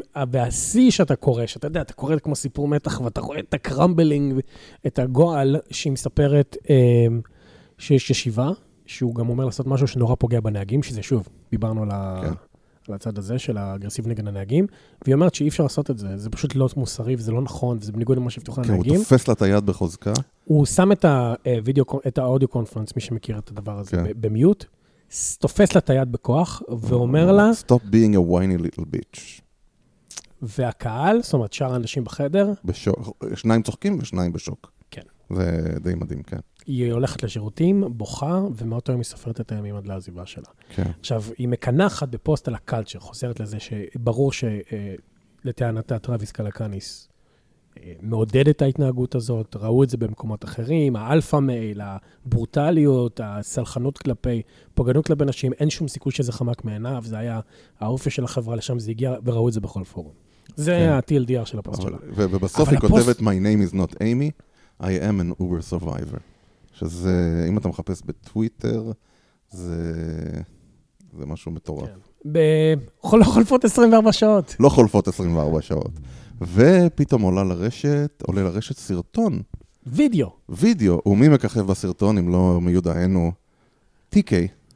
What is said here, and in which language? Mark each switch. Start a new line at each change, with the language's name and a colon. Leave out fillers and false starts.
Hebrew: והשיא שאתה קורא, שאתה יודע, אתה קורא כמו סיפור מתח, ואתה רואה את הקרמבלינג, את הגועל, שהיא מספרת שיש ישיבה, שהוא גם אומר לעשות משהו שנורא פוגע בנהגים, שזה שוב, דיברנו על, על הצד הזה של האגרסיב נגד הנהגים, והיא אומרת שאי אפשר לעשות את זה, זה פשוט לא מוסרי, וזה לא נכון, וזה בניגוד למה שפתוח לנהגים. הוא תופס לה את היד בחוזקה. הוא שם את, הוידאו, את האודיו קונפרנס, מי שמכיר את הדבר הזה, במיוט, תופס לה את היד בכוח, ואומר לה,
English: "Stop being a whiny little bitch."
Hebrew: והקהל, זאת אומרת, שאר האנשים בחדר. בשוק, שניים צוחקים ושניים בשוק. כן. זה די מדהים, כן. היא הולכת לשירותים, בוכה, ומאותו יום היא סופרת את הימים עד לעזיבה שלה. כן. עכשיו, היא מקנחת בפוסט על הקלצ'ר, חוזרת לזה שברור שלטענתה טרוויס קלקניס מעודד את ההתנהגות הזאת, ראו את זה במקומות אחרים, האלפה מייל, הברוטליות, הסלחנות כלפי, פוגענות כלפי נשים, אין שום סיכוי שזה חמק מעיניו, זה היה האופי של החברה לשם, זה הגיע וראו את זה בכל פורום. זה כן. ה-TLDR של הפוסט שלה. ובסוף היא כותבת,
English: "My name is not Amy, I am an Uber survivor."
Hebrew: שזה, אם אתה מחפש בטוויטר, זה משהו מטורף. כן. חולפות 24 שעות. לא חולפות 24 שעות. ופתאום עולה לרשת, עולה לרשת סרטון. וידאו. וידאו. ומי מככב בסרטון, אם לא מיודענו, טי-קיי.